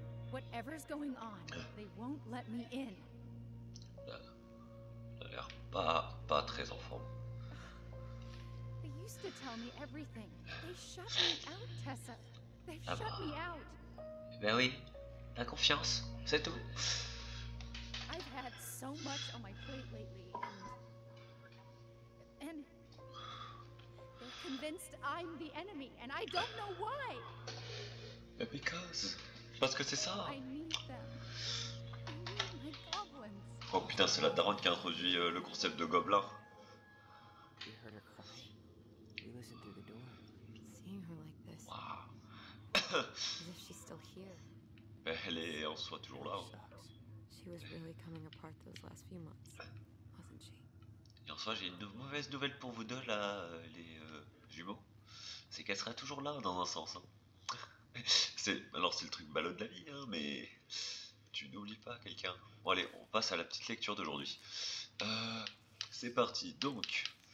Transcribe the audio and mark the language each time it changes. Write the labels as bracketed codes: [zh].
[en] Whatever's going on, they won't let me in. [fr] L'air pas très en forme. [en] They used to tell me everything. They shut me out, Tessa. They shut me out. [fr] Ben oui, la confiance, c'est tout. [en] I've had so much on my plate lately, and convinced I'm the enemy, and I don't know why. But because, [fr] parce que c'est ça. [en] I need them. I need my goblins. [fr] Oh putain, c'est la daronne qui a introduit le concept de gobelin. [en] We heard her cry. We listened through the door. Seeing her like this. Wow. As if she's still here. [fr] Bah, elle est en soi toujours là. [en] She was really coming apart those last few months, wasn't she? [fr] Et en soi, j'ai une mauvaise nouvelle pour vous deux, là, les jumeaux. C'est qu'elle sera toujours là, dans un sens. Hein. C'est le truc ballot de la vie, hein, mais tu n'oublies pas quelqu'un. Bon, allez, on passe à la petite lecture d'aujourd'hui. C'est parti, donc.